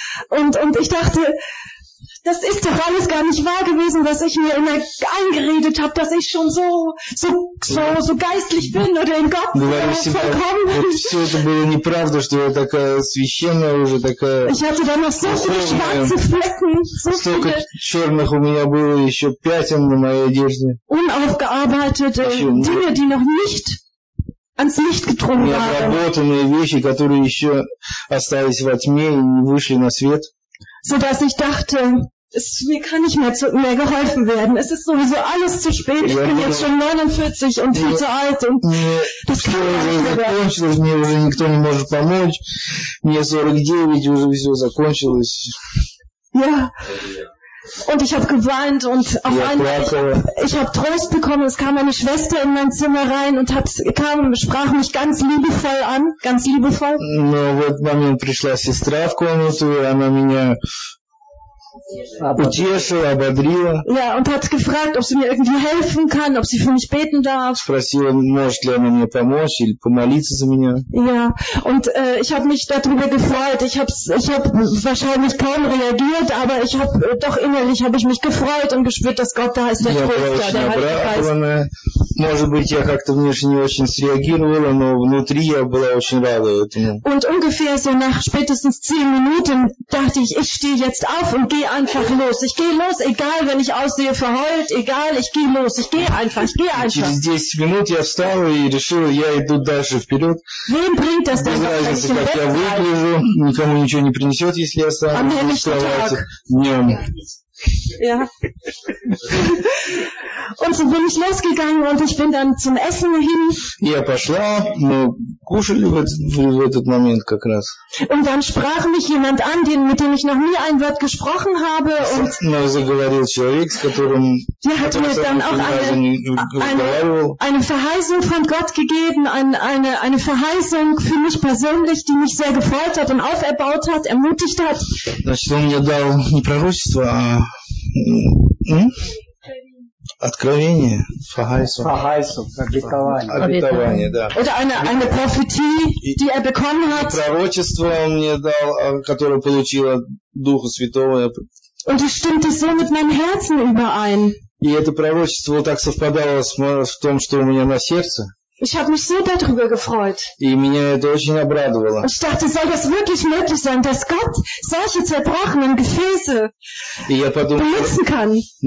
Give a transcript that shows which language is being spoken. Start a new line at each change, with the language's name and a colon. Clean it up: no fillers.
German: Und ich dachte, das ist doch alles gar nicht wahr gewesen, was ich mir immer eingeredet habe, dass ich schon so geistlich bin oder in Gott vollkommen bin.
Russian: Все это было неправда, что я такая священная уже, такая...
German: Ich hatte da noch so viele schwarze Flecken,
Russian: Столько черных у меня было еще пятен на моей одежде.
German: Unaufgearbeitete Dinge, die noch nicht... ans Licht getrunken haben.
Russian: Необработанные вещи, которые еще остались во тьме и не вышли на свет.
German: So dass ich dachte, mir kann nicht mehr geholfen werden. Es ist sowieso alles zu spät. Ich bin jetzt schon 49 und viel zu alt.
Russian: Мне уже никто не может помочь. Мне 49, уже все закончилось.
German: Ja. Und ich habe geweint und auf einmal, ich habe Trost bekommen. Es kam eine Schwester in mein Zimmer rein und sprach mich ganz liebevoll an, ganz liebevoll.
Russian: Но в этот момент пришла сестра в комнату, и она меня утешила, ободрила.
German: Ja, und hat gefragt, ob sie mir irgendwie helfen kann, ob sie für mich beten darf.
Russian: Спросила, может ли она мне помочь или помолиться за меня.
German: Ja, und ich habe mich darüber gefreut. Ich habe wahrscheinlich kaum reagiert, aber ich habe doch innerlich habe ich mich gefreut und gespürt, dass Gott da ist, der Tröster, der Heilige Geist. Und ungefähr so nach spätestens 10 Minuten dachte ich, ich stehe jetzt auf und gehe einfach los. Ich gehe los, egal, wenn ich aussehe verheult, egal, ich gehe los, ich gehe einfach, ich gehe einfach.
Russian: Через 10 минут я встал и решил, я иду дальше вперед.
German: Wem bringt das denn?
Russian: Без разницы, как я выгляжу, никому ничего не принесет, если я останусь в кровати днем.
German: Ja. Und so bin ich losgegangen und ich bin dann zum Essen hin.
Russian: Я пошла, мы кушали в этот момент как раз.
German: Und dann sprach mich jemand an, mit dem ich noch nie ein Wort gesprochen habe. Und mir
Russian: заговорил человек, с которым я
German: hat mir dann auch eine Verheißung von Gott gegeben, eine Verheißung für mich persönlich, die mich sehr gefreut hat und auferbaut hat, ermutigt hat.
Russian: Значит, он мне дал не пророчество, а Откровение, Verheißung. Verheißung, обетование. Обетование, да. Это
German: eine Prophetie, die bekommen hat.
Russian: Пророчество он мне дал, которое получил от Духа Святого.
German: Und es stimmte so mit meinem Herzen überein.
Russian: И это пророчество так совпадало с тем, что у меня на сердце.
German: Ich habe mich so darüber gefreut. Und ich dachte, soll das wirklich möglich sein, dass Gott solche zerbrochenen Gefäße benutzen kann?